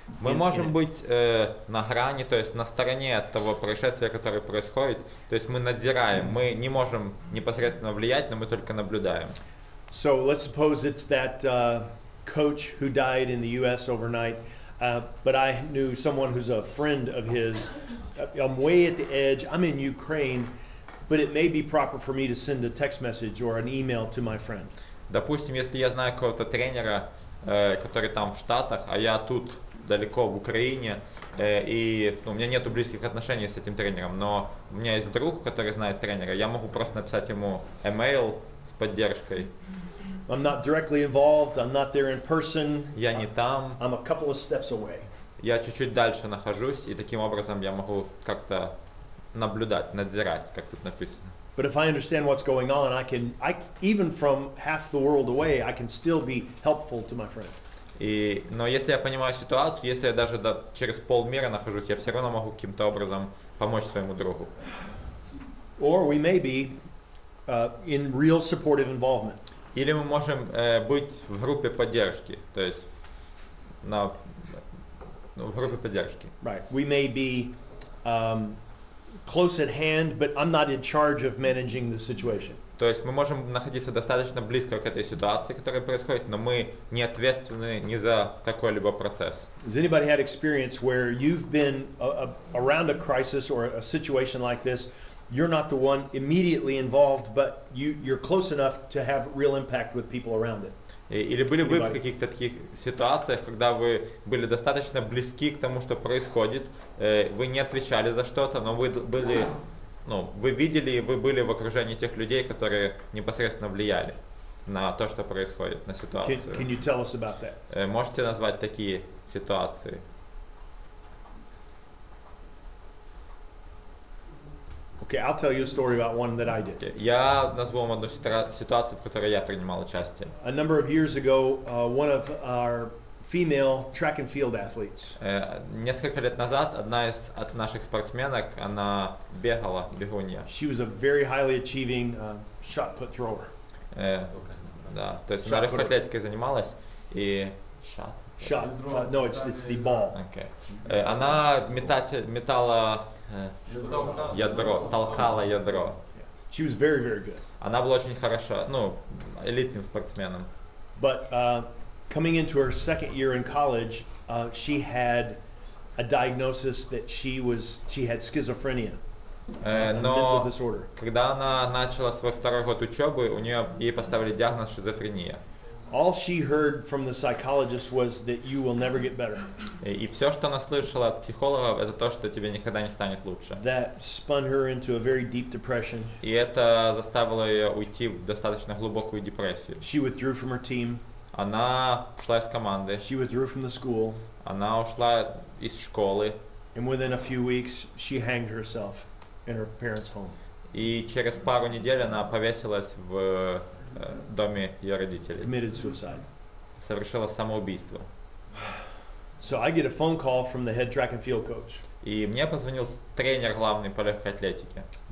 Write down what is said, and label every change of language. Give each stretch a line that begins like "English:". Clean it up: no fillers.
Russian: Мы можем быть на грани, то есть на стороне от того происшествия, которое происходит. То есть мы надзираем, мы не можем непосредственно влиять, но мы только наблюдаем.
English: So let's suppose it's that coach who died in the U.S. overnight, but I knew someone who's a friend of his. I'm way at the edge. I'm in Ukraine, but it may be proper for me to send a text message or an email to my friend.
Russian: Допустим, если я знаю какого-то тренера, который там в Штатах, а я тут далеко в Украине, и у меня нету близких отношений с этим тренером, но у меня есть друг, который знает тренера, я могу просто написать ему email с поддержкой.
English: I'm not directly involved, I'm not there in person.
Russian: Я не там.
English: I'm a couple of steps away.
Russian: Я чуть-чуть дальше нахожусь, и таким образом я могу как-то наблюдать, надзирать, как тут написано.
English: But if I understand what's going on, I even from half the world away, I can still be helpful to my friend.
Russian: Но если я понимаю ситуацию, если я даже через полмира нахожусь, я все равно могу каким-то образом помочь своему другу.
English: Or we may be in real supportive involvement.
Russian: Или мы можем быть в группе поддержки, то есть в группе поддержки.
English: Right. We may be close at hand, but I'm not in charge of managing the situation.
Russian: То есть мы можем находиться достаточно близко к этой ситуации, которая происходит, но мы не ответственны ни за какой-либо процесс.
English: Has anybody had experience where you've been around a crisis or a situation like this? You're not the one immediately involved, but you're close enough to have real impact with people around it.
Russian: Или были вы в каких-то таких ситуациях, когда вы были достаточно близки к тому, что происходит, вы не отвечали за что-то, но вы были, вы видели, вы были в окружении тех людей, которые непосредственно влияли на то, что происходит, на ситуацию.
English: Can you tell us about that?
Russian: Можете назвать такие ситуации?
English: Okay, I'll tell you a story about one that I did.
Russian: Я назову вам одну ситуацию, в которой я принимал участие.
English: A number of years ago, one of our female track and field athletes.
Russian: Несколько лет назад одна из наших спортсменок, она бегала, бегунья.
English: She was a very highly achieving shot put thrower.
Russian: Да, то есть она легкоатлетикой занималась и shot.
English: No, it's the ball. Okay.
Russian: Она метала ядро, толкала ядро.
English: She was very, very good.
Russian: Она была очень хороша, элитным спортсменом.
English: But coming into her second year in college, she had a diagnosis that she had schizophrenia, mental disorder.
Russian: Когда она начала свой второй год учебы, ей поставили диагноз шизофрения.
English: All she heard from the psychologist was that you will never get better.
Russian: И все, что она слышала от психологов, это то, что тебе никогда не станет лучше.
English: That spun her into a very deep depression.
Russian: И это заставило ее уйти в достаточно глубокую депрессию.
English: She withdrew from her team.
Russian: Она ушла из команды.
English: She withdrew from the school.
Russian: Она ушла из школы.
English: And within a few weeks, she hanged herself in her parents' home.
Russian: И через пару недель она повесилась в доме ее родителей.
English: Committed suicide.
Russian: Совершила самоубийство.
English: So I get a phone call from the head track and field coach.
Russian: И мне позвонил тренер главный по легкой атлетике.